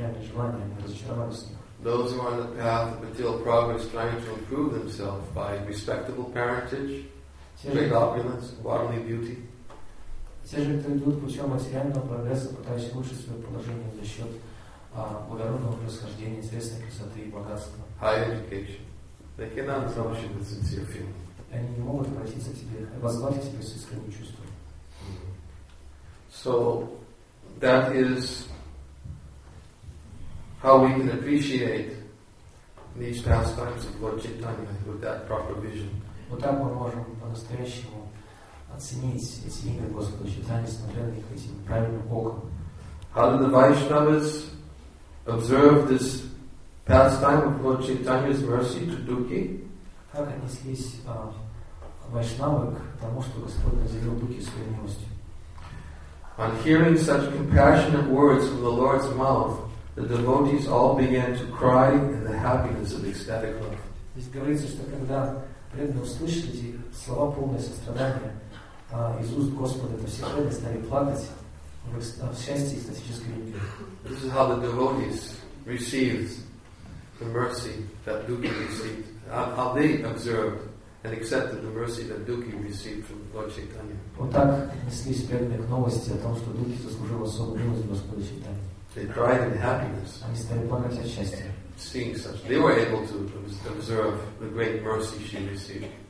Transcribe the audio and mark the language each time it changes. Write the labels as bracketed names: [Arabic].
[English] Those who are on the path of material progress trying to improve themselves by respectable parentage, great opulence, bodily beauty. [Russian] Те же, кто идут путем материального прогресса, пытаясь улучшить свое положение за счет благородного происхождения, известной красоты и богатства. [English] High education. They cannot approach you with sincere feeling. [Russian] Они не могут обратиться к тебе, возглавить к тебе с искренним чувством. [English] So that is how we can appreciate these pastimes of Lord Chaitanya with that proper vision. [Russian] Вот так мы можем по-настоящему оценить эти игры Господа Чайтаньи, смотря на них этим правильным оком. [English] How do the Vaishnavas observe this pastime of Lord Chaitanya's mercy to Dukhi? [Russian] Как отнеслись Вайшнавы к тому, что Господь наделил Дуки своей милостью? [English] On hearing such compassionate words from the Lord's mouth, the devotees all began to cry in the happiness of ecstatic love. [Russian] Здесь говорится, что когда преданные услышали эти слова полные сострадания, из уст Господа, то все преданные стали плакать в счастье и эстетической любви. [English] This is how the devotees received the mercy that Dukhi received. How they observed and accepted the mercy that Dukhi received from Lord Chaitanya. [Russian] Вот так неслись преданные к новости о том, что Дукхи заслужил особую милость Господа Чайтаньи. [English] They cried in happiness. [Russian] Они стали плакать от счастья. [English] Seeing such, they were able to observe the great mercy she received.